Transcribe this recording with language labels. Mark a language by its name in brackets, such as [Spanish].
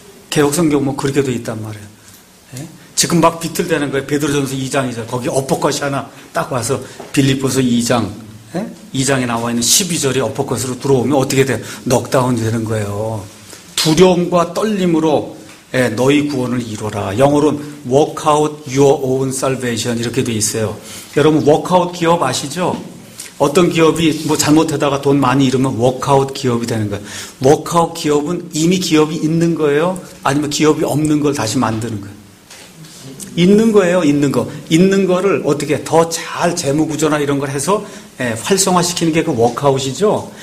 [Korean] 개혁성경 뭐 그렇게 돼 있단 말이에요. 예? 지금 막 비틀대는 거예요. 베드로전서 2장 2절 거기 엇벚꽃이 하나 딱 와서 빌립보서 2장 2장에 나와 있는 12절이 엎어컷으로 들어오면 어떻게 돼요? 넉다운 되는 거예요. 두려움과 떨림으로 너희 구원을 이뤄라. 영어로는 [English] Work out your own salvation [Korean] 이렇게 돼 있어요. 여러분 Work out 기업 아시죠? 어떤 기업이 뭐 잘못하다가 돈 많이 잃으면 Work out 기업이 되는 거예요. Work out 기업은 이미 기업이 있는 거예요? 아니면 기업이 없는 걸 다시 만드는 거예요? 있는 거예요. 있는 거. 있는 거를 어떻게 더 잘 재무구조나 이런 걸 해서 활성화시키는 게 그 워크아웃이죠.